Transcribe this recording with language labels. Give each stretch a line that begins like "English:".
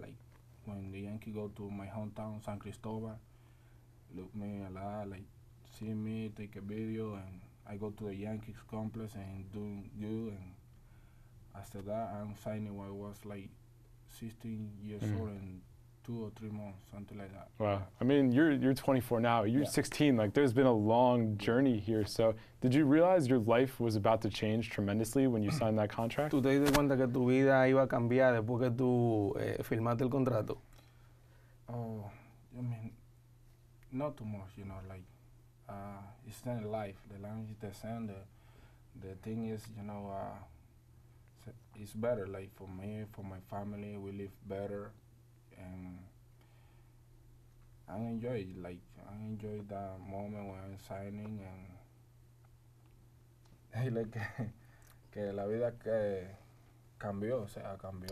English: Like, when the Yankee go to my hometown, San Cristobal, look me a lot, like, see me, take a video, and I go to the Yankees complex and do good, and after that, I'm signing when I was, like, 16 years old in 2 or 3 months, something like that. Wow. I mean, you're 24 now. You're 16. Like, there's been a long journey here. So did you realize your life was about to change tremendously when you signed that contract?
Spanish: ¿Tú te diste cuenta que tu vida iba a cambiar después que tú firmaste el contrato?
English: Oh, I mean, not too much, you know, like, it's the life, the language is the same, the thing is, you know, it's better, like, for me, for my family, we live better, and I enjoy, like, I enjoy that moment when I'm signing, and, like,
Spanish: que la vida que cambió, o sea, cambió.